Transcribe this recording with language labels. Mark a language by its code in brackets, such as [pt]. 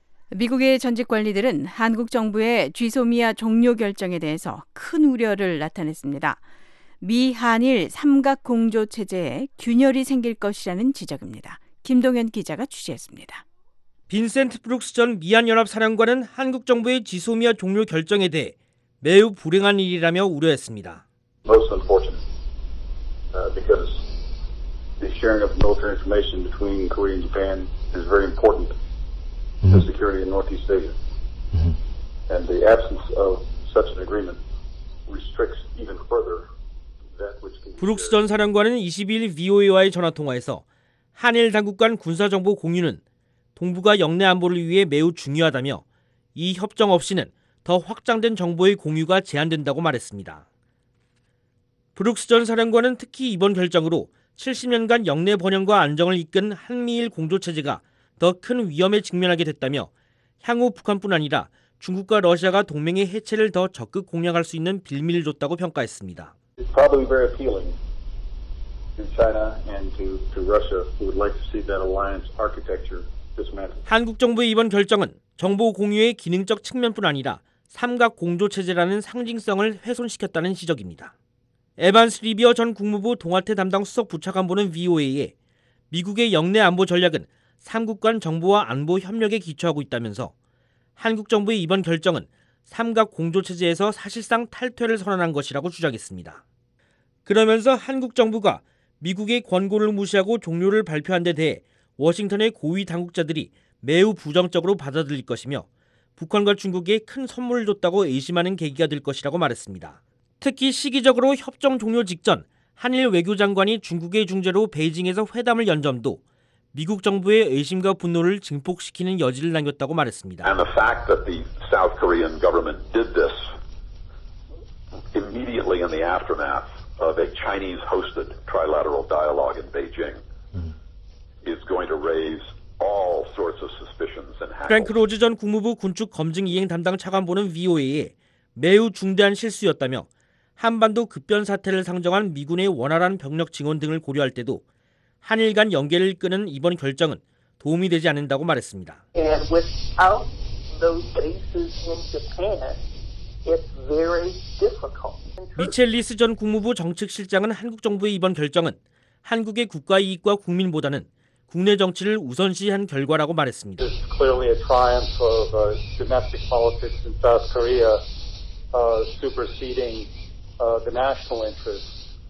[ko] 미국의 전직 관리들은 한국 정부의 지소미아 종료 결정에 대해서 큰 우려를 나타냈습니다. 미한일 삼각공조체제에 균열이 생길 것이라는 지적입니다. 김동현 기자가 취재했습니다. 빈센트 브룩스 전 미한연합사령관은 한국 정부의 지소미아 종료 결정에 대해 매우 불행한 일이라며 우려했습니다. [en] Most unfortunate, because the sharing of military information between Korea and Japan is very important to security in Northeast Asia. And the absence of such an agreement restricts even further. [ko] 브룩스 전 사령관은 22일 VOA와의 전화통화에서 한일 당국 간 군사정보 공유는 동북아 영내 안보를 위해 매우 중요하다며 이 협정 없이는 더 확장된 정보의 공유가 제한된다고 말했습니다. 브룩스 전 사령관은 특히 이번 결정으로 70년간 영내 번영과 안정을 이끈 한미일 공조체제가 더 큰 위험에 직면하게 됐다며 향후 북한뿐 아니라 중국과 러시아가 동맹의 해체를 더 적극 공략할 수 있는 빌미를 줬다고 평가했습니다. [en] It's probably very appealing to China and to Russia who would like to see that alliance architecture dismantled. [ko] 한국 정부의 이번 결정은 정보 공유의 기능적 측면뿐 아니라 삼각 공조 체제라는 상징성을 훼손시켰다는 지적입니다. 에반스 리비어 전 국무부 동아태 담당 수석 부차관보는 VOA에 미국의 영내 안보 전략은 3국 간 정보와 안보 협력에 기초하고 있다면서 한국 정부의 이번 결정은 삼각 공조체제에서 사실상 탈퇴를 선언한 것이라고 주장했습니다. 그러면서 한국 정부가 미국의 권고를 무시하고 종료를 발표한 데 대해 워싱턴의 고위 당국자들이 매우 부정적으로 받아들일 것이며 북한과 중국에 큰 선물을 줬다고 의심하는 계기가 될 것이라고 말했습니다. 특히 시기적으로 협정 종료 직전 한일 외교장관이 중국의 중재로 베이징에서 회담을 연 점도 미국 정부의 의심과 분노를 증폭시키는 여지를 남겼다고 말했습니다. [en] And the fact that the South Korean government did this immediately in the aftermath of a Chinese-hosted trilateral dialogue in Beijing is going to raise all sorts of suspicions and hackles. [ko] 프랭크 로즈 전 국무부 군축 검증 이행 담당 차관보는 VOA에 매우 중대한 실수였다며 한반도 급변 사태를 상정한 미군의 원활한 병력 증원 등을 고려할 때도 한일 간 연계를 끄는 이번 결정은 도움이 되지 않는다고 말했습니다. [en] And without those bases in Japan, it's very difficult. [ko] 미첼 리스 전 국무부 정책실장은 한국 정부의 이번 결정은 한국의 국가 이익과 국민보다는 국내 정치를 우선시한 결과라고 말했습니다. [en] This is clearly a triumph of domestic politics in South Korea superseding the national interest.